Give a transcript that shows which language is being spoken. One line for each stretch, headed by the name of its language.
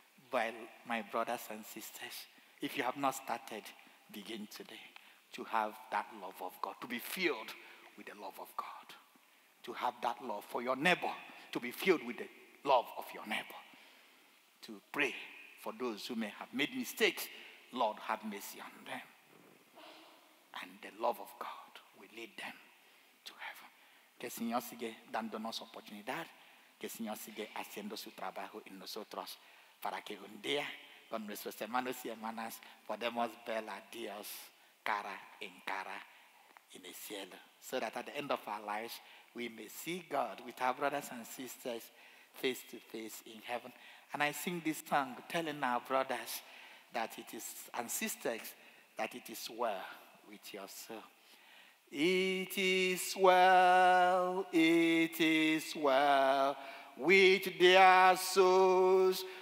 English: While my brothers and sisters, if you have not started, begin today to have that love of God, to be filled with the love of God, to have that love for your neighbor, to be filled with the love of your neighbor, to pray for those who may have made mistakes. Lord, have mercy on them. And the love of God will lead them to heaven.
Spanish: Que el Señor sigue dándonos oportunidad, que el Señor sigue haciendo su trabajo en nosotros, para que un día con nuestros hermanos y hermanas podamos ver a Dios cara en cara en el cielo.
English: So that at the end of our lives, we may see God with our brothers and sisters face to face in heaven. And I sing this song telling our brothers that it is, and sisters, that it is well with your soul. It is well, it is well with their souls.